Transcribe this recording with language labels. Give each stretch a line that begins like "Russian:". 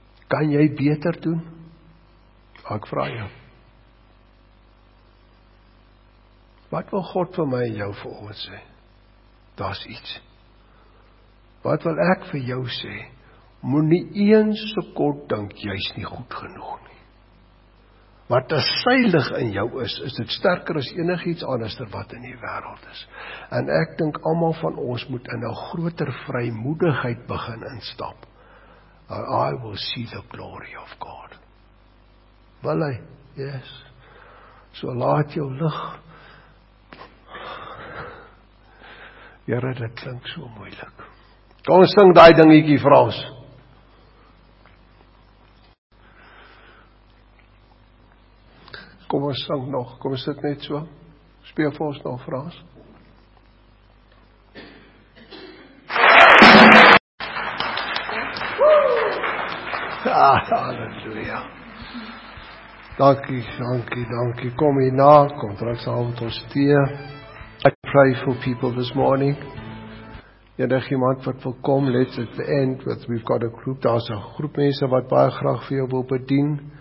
Afrikaans: Kan jy beter doen? Ek vraag jou. Wat wil God vir my en jou vir ons sê? Daar's iets. Wat wil ek vir jou sê? Moet nie een sekond dink, jy's nie goed genoeg nie. Wat as seilig in jou is, is dit sterker as enigiets anders ter wat in die wêreld is. En ek dink almal van ons moet in 'n groter vrymoedigheid begin instap.
English: I will see the glory of God.
Afrikaans: Wil hy?
English: Yes.
Afrikaans: So laat jou lig. Jere, dit klink so moeilik. Kom ons sing die dingetjie vir ons. Kom ons sing nog, kom ons sit net so. Speel vir ons nog vir ons. Halleluja. Dankie. Kom hierna, kom terug saam met ons tee.
English: Pray for people this morning.
Afrikaans: Enig iemand wat wil kom,
English: let's at the end, we've got a group,
Afrikaans: daar's 'n groep mense wat baie graag vir jou wil bedien.